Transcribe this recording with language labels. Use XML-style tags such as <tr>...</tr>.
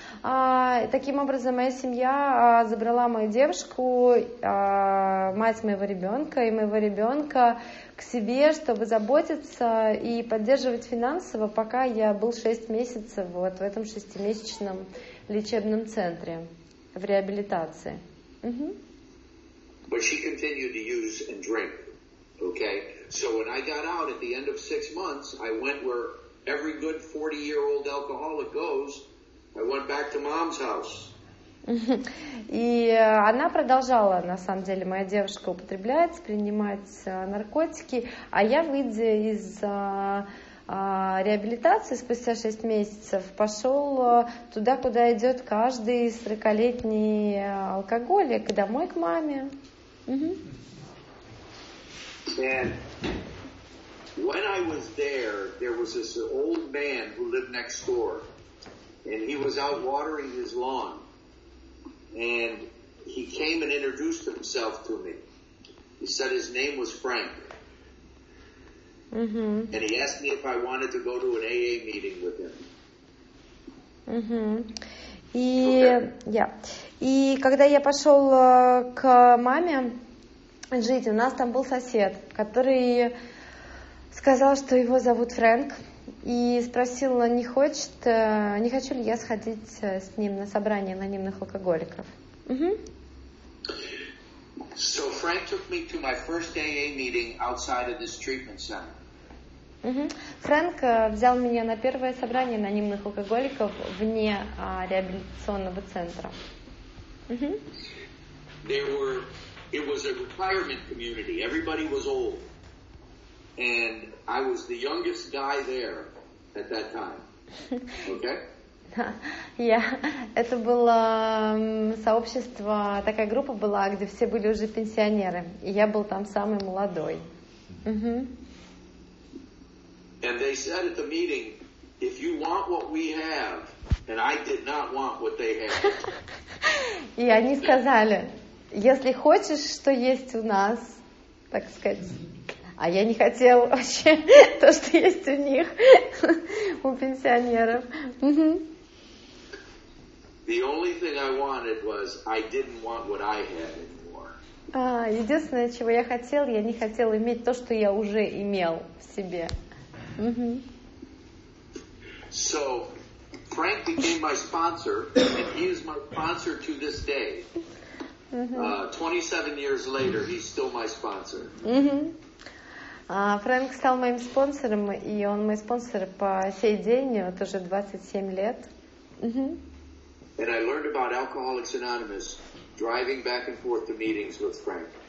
<ru>Таким образом, моя семья забрала мою девушку, мать моего ребенка и моего ребенка к себе, чтобы заботиться и поддерживать финансово, пока я был 6 месяцев вот в этом 6-месячном лечебном центре в реабилитации.</ru> <en>But she continued to use and drink, okay? So when I got out at the end of 6 months, I went where every good 40-year-old alcoholic goes. I went back to mom's house.</en> <ru>И она продолжала, на самом деле, моя девушка употребляет, принимает наркотики, а я, выйдя из реабилитации спустя 6 месяцев, пошел туда, куда идет каждый 40-летний алкоголик, домой к маме.</ru> <en>And when I was there, there was this old man who lived next door, and he was out watering his lawn. And he came and introduced himself to me. He said his name was Frank. Mm-hmm. And he asked me if I wanted to go to an AA meeting with him. Mm-hmm. И, okay. Yeah.</en> <ru>И когда я пошел к маме жить, у нас там был сосед, который сказал, что его зовут Фрэнк. И спросила, не хочу ли я сходить с ним на собрание анонимных алкоголиков.</ru> <en>So Frank took me to my first AA meeting outside of this treatment center.</en> <ru>Фрэнк взял меня на первое собрание анонимных алкоголиков вне реабилитационного центра.</ru> <en>It was a retirement community. Everybody was old. And I was the youngest guy there. At that time. Okay? Yeah.</en> <ru>Это было сообщество, такая группа была, где все были уже пенсионеры. И я был там самый молодой.</ru> <en>And they said at the meeting, if you want what we have, and I did not want what they had.</en> <ru>И они сказали, если хочешь, что есть у нас, так сказать... А я не хотел вообще то, что есть у них, у пенсионеров.</ru> <en>The only thing I wanted was I didn't want what I had anymore.</en> <ru>Единственное, чего я хотел, я не хотел иметь то, что я уже имел в себе.</ru> <en>So, Frank became my sponsor, and he is my sponsor to this day. 27 years later, he's still my sponsor.</en> <ru>Фрэнк стал моим спонсором, и он мой спонсор по сей день, вот уже 27 лет.</ru> <en>And I learned about Alcoholics Anonymous, driving back and forth to meetings with Frank.</en>